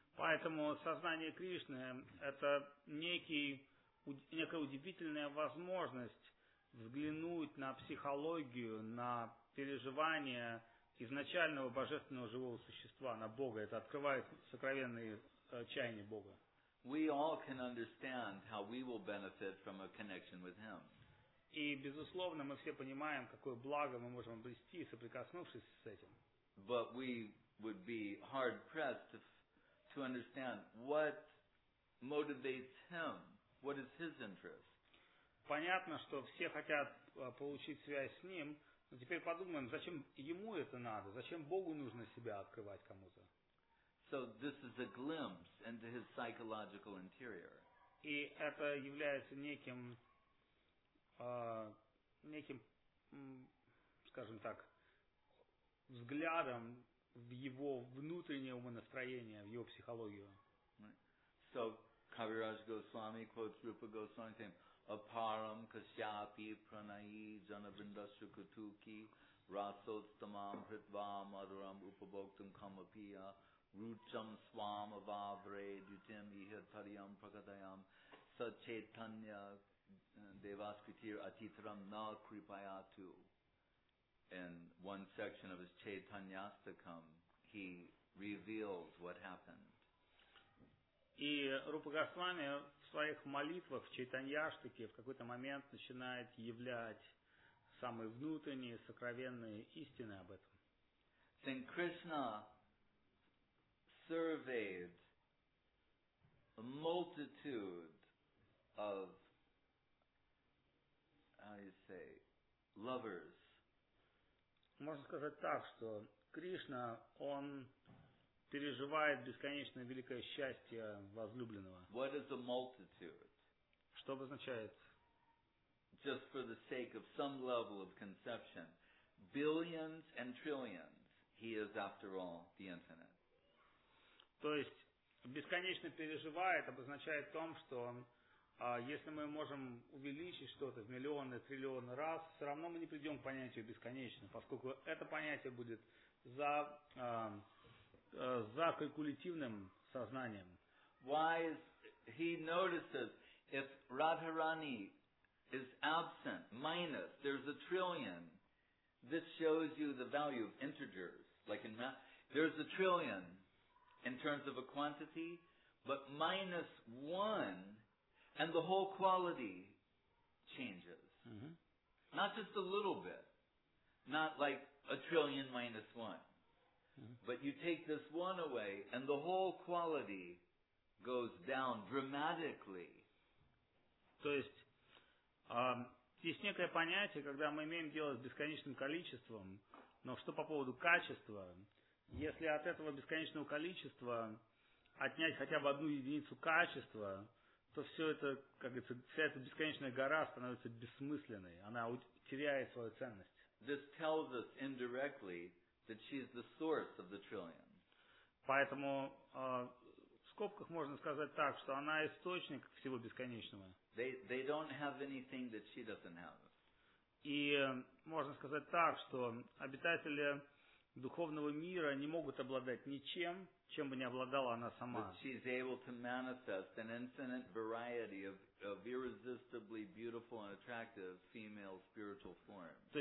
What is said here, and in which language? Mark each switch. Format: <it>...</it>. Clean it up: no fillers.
<ru>Поэтому сознание Кришны — это некая удивительная возможность взглянуть на психологию, на переживания изначального божественного живого существа, на Бога. Это открывает сокровенные чаяния Бога.</ru> <en>We all can understand how we will benefit from a connection with Him.</en> <ru>И, безусловно, мы все понимаем, какое благо мы можем обрести, соприкоснувшись с этим.</ru> <en>But we would be hard-pressed to understand what motivates Him, what is His interest.</en> <ru>Понятно, что все хотят получить связь с Ним. Но теперь подумаем, зачем ему это надо? Зачем Богу нужно себя открывать кому-то?</ru> <en>So this is a glimpse into his psychological interior.</en> <ru>И это является неким, неким, скажем так, взглядом в его внутреннее умонастроение, в его психологию.</ru> <en>Right. So Kaviraj Goswami quotes Rupa Goswami saying,</en> <sa>Aparam kasyapi pranayi janavrindasya kutuki rasottamam hritva madaram upabhoktam kamapiya rucham swam avavre dutim ihir tariyam prakatayam sachetanya devaskritir atitaram na kripayatu.</sa> <en>In one section of his Chaitanyastakam, he reveals what happened.</en> <ru>И Рупа Госвами в своих молитвах, в Чайтаньяштике, в какой-то момент начинает являть самые внутренние, сокровенные истины об этом.</ru> <en>Then Krishna surveyed a multitude of, how you say, lovers.</en> <ru>Можно сказать так, что Кришна, он переживает бесконечное великое счастье возлюбленного.</ru> <en>What is a multitude?</en> <ru>Что обозначает?</ru> <en>Just for the sake of some level of conception, billions and trillions, he is after all the infinite.</en> <ru>То есть бесконечно переживает обозначает том, что если мы можем увеличить что-то в миллионы, триллионы раз, все равно мы не придем к понятию бесконечно, поскольку это понятие будет за калькулятивным сознанием.</ru> <en>Why is he notices if Radharani is absent, minus, there's a trillion. This shows you the value of integers. Like in math, there's a trillion in terms of a quantity, but minus one, and the whole quality changes. Mm-hmm. Not just a little bit. Not like a trillion minus one. But you take this one away, and the whole quality goes down dramatically.</en> <ru>То есть, есть некое понятие, когда мы имеем дело с бесконечным количеством, но что по поводу качества, Если от этого бесконечного количества отнять хотя бы одну единицу качества, то все это, как говорится, вся эта бесконечная гора становится бессмысленной. Она теряет свою ценность.</ru> <en>This tells us indirectly that she's the source of the trillion.</en> <ru>Поэтому в скобках можно сказать так, что она источник всего бесконечного.</ru> <en>They don't have anything that she doesn't have.</en> <ru>И можно сказать так, что обитатели духовного мира не могут обладать ничем, чем бы не обладала она сама.</ru> <en>That she's able to manifest an infinite variety of irresistibly beautiful and attractive female spiritual forms.</en>